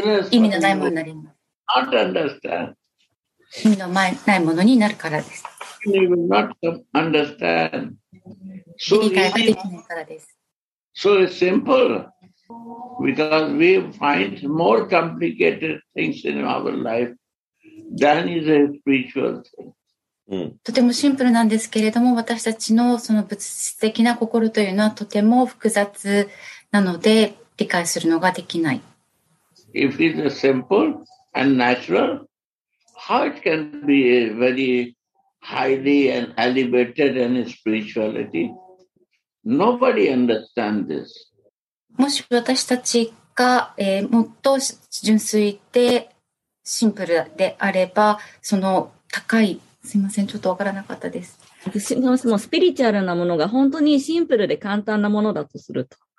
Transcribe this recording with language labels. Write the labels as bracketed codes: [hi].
[ja] 意味のないものになります。 [en] Not understand. [ja] 意味のないものになるからです。 [en] You will not understand. [ja] 理解ができないからです。 [en] So it's simple. Because we find more complicated things in our life than is a spiritual thing. [ja] とてもシンプルなんですけれども、私たちのその物質的な心というのはとても複雑なので理解するのができない。 [en] If it's a simple and natural, how it can be a very highly and elevated and spirituality? Nobody understands this. [ja] もし私たちが、もっと純粋でシンプルであれば、その高い、すいません、ちょっとわからなかったです。もうスピリチュアルなものが本当にシンプルで簡単なものだとすると。